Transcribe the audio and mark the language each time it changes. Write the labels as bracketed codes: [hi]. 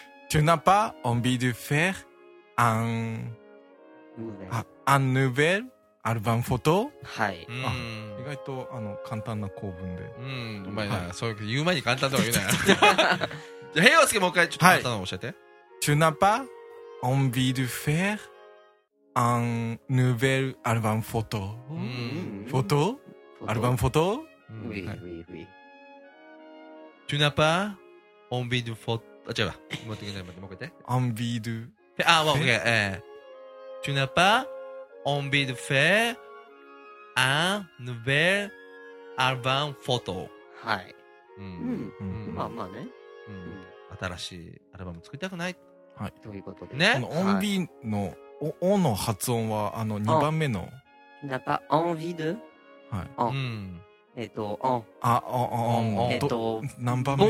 [fr] トゥナパオンビードゥフェアアンUn nouvel album photo? [ja] はい。意外と簡単な構文で。うまいな。そういう言う前に簡単とは言うなよ。じゃあ、平洋介もう一回ちょっと簡単なの教えて。 [fr] Tu n'as pas envie de faire un nouvel album photo? Photo? Album photo? Oui, oui, oui. Tu n'as pas envie de photo? [ja] あ、違うわ。もう一回言って、もう一回言って。 [fr] Envie de. [ja] あ、もう一回、 [fr] Tu n'as pas envie de faire un nouvel album photo. [ja] はい。うん。まあまあね。うん。新しいアルバム作りたくない。はい。ということで。ね。このenvieの、はい、おの発音は、2番目の。 [fr] Tu n'as pas envie de? [ja] はい。うん。何番目？